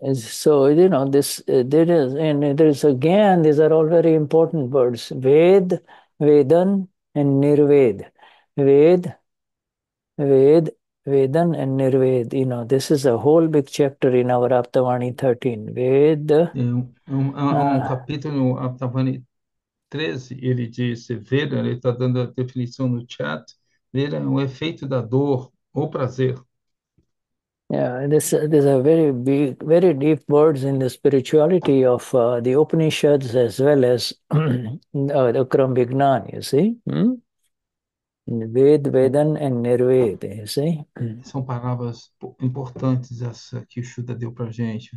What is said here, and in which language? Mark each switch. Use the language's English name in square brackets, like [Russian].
[English] So, there is again, these are all very important words, Ved, Vedan, and Nirved. Ved, Ved, Vedan, and Nirved. You know, this is a whole big chapter in our Aptavani 13. Ved, [Portuguese] Um capítulo no Aptavani 13, ele diz, Veda, ele está dando a definição no chat, Veda é um efeito da dor ou prazer. [English] Yeah, these are very big, very deep words in the spirituality of the Upanishads as well as the Krama Vijnana, you see? Ved, Vedan, and Nirved, you see? [Portuguese] São palavras importantes essa que o Shuddha deu para a gente.